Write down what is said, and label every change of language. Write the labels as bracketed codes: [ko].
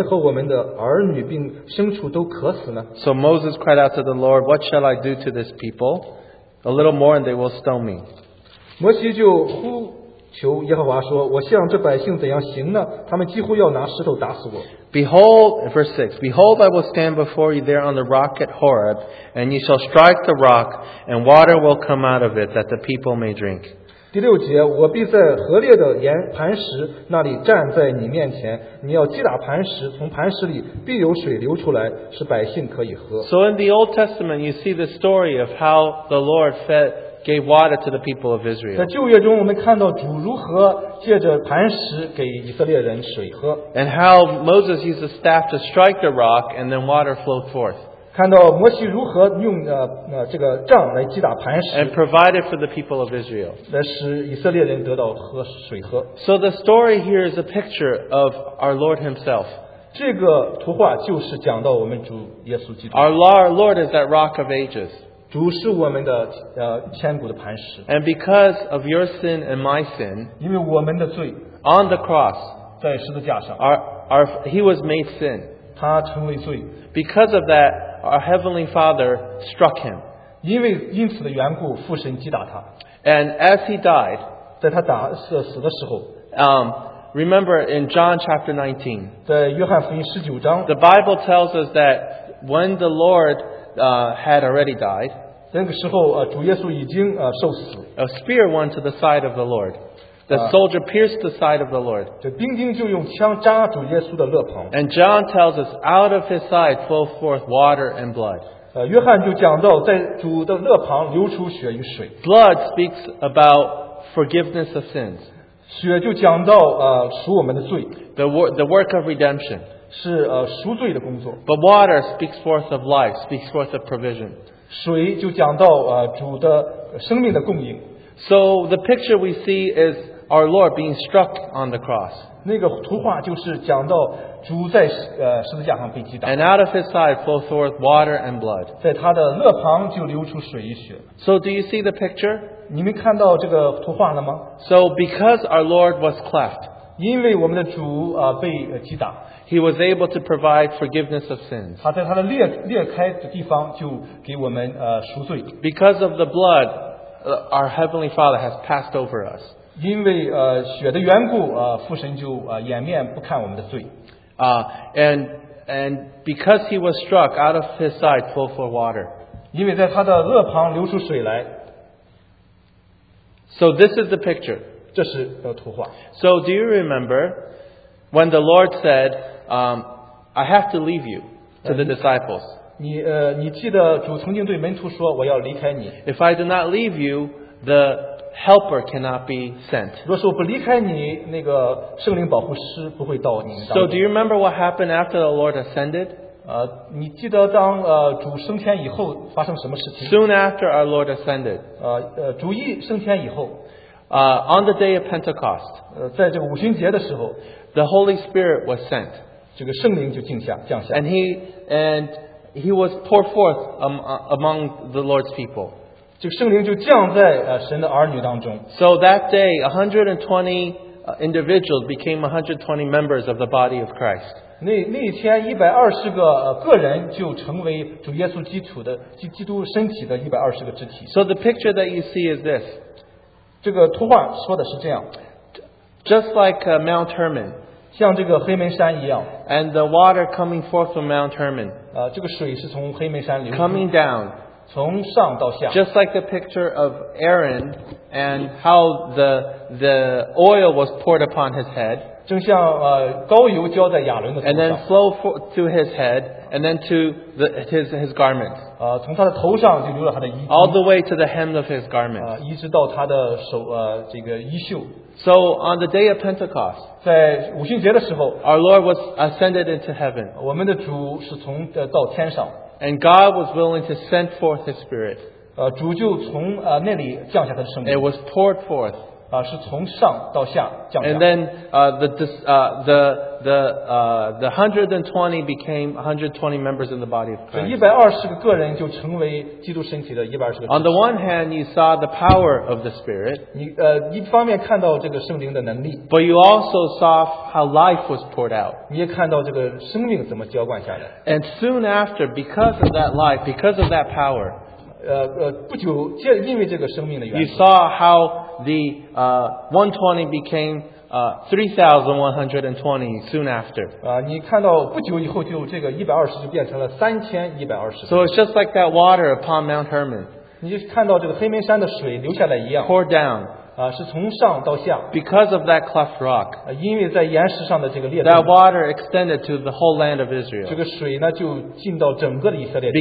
[zh] 17章第三节,百姓在那里甚渴,要喝水,就像摩西发怨言,说,你为什么将我们从埃及领出来,使我们和我们的儿女并牲畜都渴死呢? [en] So Moses cried out to the Lord, what shall I do to this people? A little more and they will stone me. [zh] 摩西就呼, 求耶和华说, [en] behold, verse 6, behold, I will stand before you there on the rock at Horeb, and you shall strike the rock, and water will come out of it that the people may drink. [zh] 第六节, [en] so in the Old Testament, you see the story of how the Lord fed gave water to the people of Israel. And how Moses used a staff to strike the rock and then water flowed forth. [zh] 看到摩西如何用, 这个杖来击打磐石, [en] and provided for the people of Israel. So the story here is a picture of our Lord Himself. Our Lord is that rock of ages. [zh] 主是我们的, [en] and because of your sin and my sin, [zh] 因为我们的罪, [en] on the cross, [zh] 在十字架上, [en] he was made sin. [zh] 他成为罪, [en] because of that, our Heavenly Father struck him. [zh] 因为因此的缘故, [en] and as he died, [zh] 在他死的时候, [en] remember in John chapter 19, [zh] 在约翰福音19章, [en] the Bible tells us that when the Lord had already died, [zh] 那个时候, 主耶稣已经, 受死, [en] a spear went to the side of the Lord. The soldier pierced the side of the Lord. And John tells us, out of his side flow forth water and blood. [zh] 约翰就讲到, [en] blood speaks about forgiveness of sins. [zh] 血就讲到, 赎我们的罪, [en] the work of redemption. [zh] 是, [en] but water speaks forth of life, speaks forth of provision. [zh] 水就讲到, 主的生命的供应. [en] So the picture we see is our Lord being struck on the cross. [zh] 那个图画就是讲到主在, [en] and out of his side flows forth water and blood. So do you see the picture? [zh] 你们看到这个图画了吗? [en] So because our Lord was cleft, [zh] 因为我们的主, [en] he was able to provide forgiveness of sins. [zh] 他在他的裂开的地方就给我们, [en] because of the blood, our Heavenly Father has passed over us. [zh] 因为, 血的缘故, 父神就, 掩面不看我们的罪. [en] And because he was struck, out of his side flowed for water. [zh] 因为在他的肋旁流出水来. [en] So this is the picture. [zh] 这是图画. [en] So do you remember when the Lord said, I have to leave you to the disciples. [zh] 你记得主曾经对门徒说我要离开你. [en] If I do not leave you, the helper cannot be sent. [zh] 若是我不离开你, [en] so do you remember what happened after the Lord ascended? [zh] 你记得当主升天以后发生什么事情？ [en] Soon after our Lord ascended. [zh] 主一升天以后。 [en] On the day of Pentecost. [zh] 在这个五旬节的时候。 [en] The Holy Spirit was sent. [zh] 这个圣灵就降下。 [en] And he was poured forth among the Lord's people. [zh] 这个圣灵就降在神的儿女当中。 [en] So that day, 120 individuals became 120 members of the body of Christ. [zh] 那天120个个人就成为主耶稣基督身体的120个肢体。 [en] So the picture that you see is this. [zh] 这个图画说的是这样。 [en] Just like Mount Hermon. [zh] 像这个黑门山一样。 [en] And the water coming forth from Mount Hermon. [zh] 这个水是从黑门山流出。 [en] Coming down. [zh] 从上到下。 [en] Just like the picture of Aaron and how the oil was poured upon his head. [zh] 正像高油浇在亚伦的头上。 [en] And then flow to his head and then to his garment. [zh] 从他的头上就流了他的衣服。 [en] All the way to the hem of his garment. [zh] 一直到他的手这个衣袖。 [en] So on the day of Pentecost, [zh] 在五旬节的时候， [en] our Lord was ascended into heaven. [zh] 我们的主是从到天上。 [en] And God was willing to send forth His Spirit. [zh] 主就从那里降下他的圣灵。 [en] It was poured forth. [zh] 是从上到下降下。 [en] And then the 120 became 120 members in the body of Christ. [zh] 120个个人就成为基督身体的120个。 [en] On the one hand, you saw the power of the Spirit. [zh] 你一方面看到这个圣灵的能力。 [en] But you also saw how life was poured out. [zh] 你也看到这个生命怎么浇灌下来。 [en] And soon after, because of that life, because of that power, [zh] 不久接因为这个生命的缘 [en] 故。You saw how the 120 became 3,120 soon after. [zh] 你看到不久以后就这个120就变成了3,120。 [en] So it's just like that water upon Mount Hermon. [zh] 你就看到这个黑门山的水流下来一样。 [en] Poured down. [zh] 是从上到下。 [en] Because of that cleft rock. [zh] 因为在岩石上的这个裂缝。 [en] That water extended to the whole land of Israel. [zh] 这个水呢就进到整个的以色列。